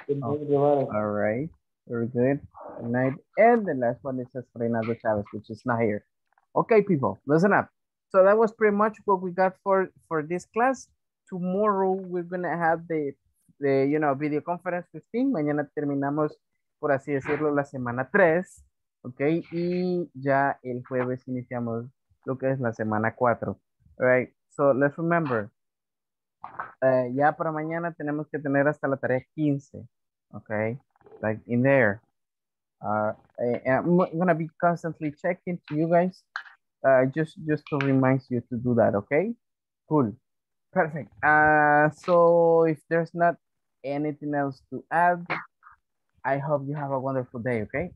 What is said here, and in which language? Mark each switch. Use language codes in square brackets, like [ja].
[en] Oh, all right, very good. Good night. And the last one is Reynaldo Chavez, which is not here. Okay, people, listen up. So that was pretty much what we got for this class. Tomorrow, we're going to have the you know, video conference 15. [es] Mañana terminamos, por así decirlo, la semana 3. Okay, y ya el jueves iniciamos lo que es la semana 4. All right. [en] So let's remember, [es] ya para mañana tenemos que tener hasta la tarea 15, okay? [en] Like in there. I'm gonna be constantly checking to you guys, just to remind you to do that, okay? Cool, perfect. So if there's not anything else to add, I hope you have a wonderful day, okay?